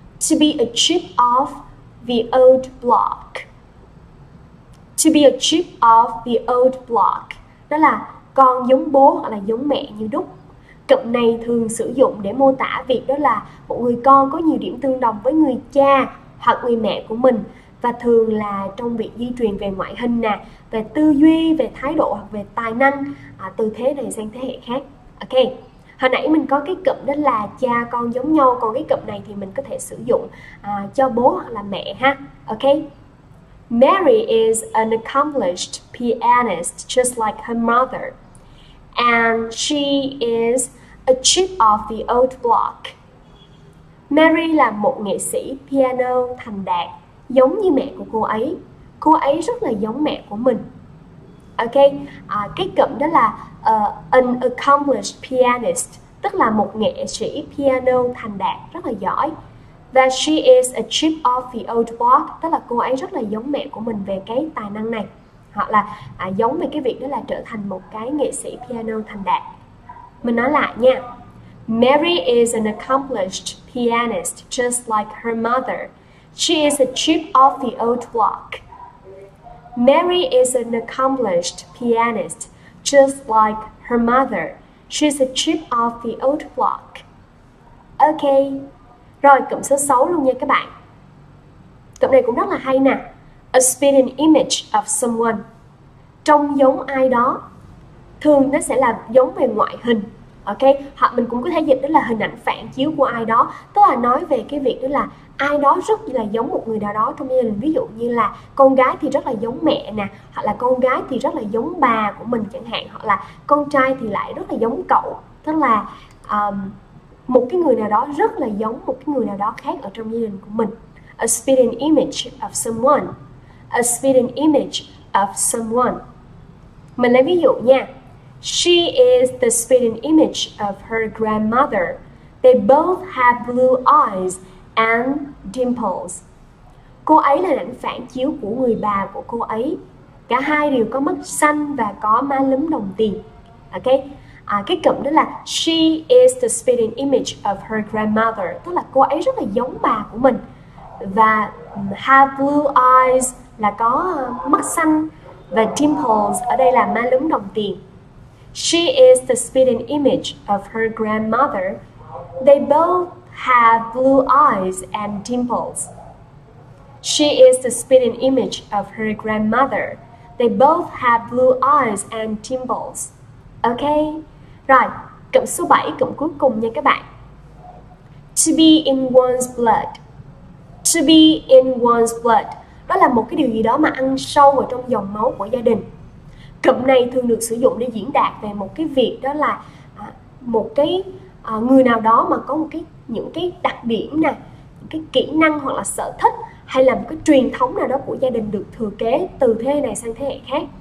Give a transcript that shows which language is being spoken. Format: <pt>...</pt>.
<en>To be a chip off the old block. To be a chip off the old block.</en> <vi>Đó là con giống bố hoặc là giống mẹ như đúc. Cụm này thường sử dụng để mô tả việc đó là một người con có nhiều điểm tương đồng với người cha hoặc người mẹ của mình, và thường là trong việc di truyền về ngoại hình nè, về tư duy, về thái độ hoặc về tài năng từ thế này sang thế hệ khác. Ok, hồi nãy mình có cái cụm đó là cha con giống nhau, còn cái cụm này thì mình có thể sử dụng cho bố hoặc là mẹ ha.</vi> <en>Ok, Mary is an accomplished pianist just like her mother, and she is a chip off the old block.</en> <vi>Mary là một nghệ sĩ piano thành đạt giống như mẹ của cô ấy. Cô ấy rất là giống mẹ của mình. Ok, cái cụm đó là</vi> <en>an accomplished pianist,</en> <vi>tức là một nghệ sĩ piano thành đạt rất là giỏi. Và</vi> <en>she is a chip off the old block,</en> <vi>tức là cô ấy rất là giống mẹ của mình về cái tài năng này. Hoặc là giống về cái việc đó là trở thành một cái nghệ sĩ piano thành đạt. Mình nói lại nha.</vi> <en>Mary is an accomplished pianist just like her mother. She is a chip off the old block. Mary is an accomplished pianist just like her mother. She is a chip off the old block.</en> <vi>Ok, rồi cụm số 6 luôn nha các bạn. Cụm này cũng rất là hay nè.</vi> <en>A spitting image of someone.</en> <vi>Trông giống ai đó. Thường nó sẽ là giống về ngoại hình. Ok, hoặc mình cũng có thể dịch đó là hình ảnh phản chiếu của ai đó. Tức là nói về cái việc đó là ai đó rất là giống một người nào đó trong gia đình. Ví dụ như là con gái thì rất là giống mẹ nè, hoặc là con gái thì rất là giống bà của mình chẳng hạn, hoặc là con trai thì lại rất là giống cậu. Tức là một cái người nào đó rất là giống một cái người nào đó khác ở trong gia đình của mình.</vi> <en>A spitting image of someone. A spitting image of someone.</en> <vi>Mình lấy ví dụ nha.</vi> <en>She is the spitting image of her grandmother. They both have blue eyes and dimples.</en> <vi>Cô ấy là ảnh phản chiếu của người bà của cô ấy. Cả hai đều có mắt xanh và có má lúm đồng tiền. Ok, cái cụm đó là</vi> <en>she is the spitting image of her grandmother,</en> <vi>tức là cô ấy rất là giống bà của mình. Và have blue eyes là có mắt xanh, và dimples ở đây là má lúm đồng tiền.</vi> <en>She is the spitting image of her grandmother. They both have blue eyes and dimples. She is the spitting image of her grandmother. They both have blue eyes and dimples.</en> <vi>Ok, rồi, cụm số 7, cụm cuối cùng nha các bạn.</vi> <en>To be in one's blood. To be in one's blood.</en> <vi>Đó là một cái điều gì đó mà ăn sâu vào trong dòng máu của gia đình. Cụm này thường được sử dụng để diễn đạt về một cái việc đó là một cái người nào đó mà có một cái những cái đặc điểm nè, những cái kỹ năng hoặc là sở thích hay là một cái truyền thống nào đó của gia đình được thừa kế từ thế hệ này sang thế hệ khác.</vi>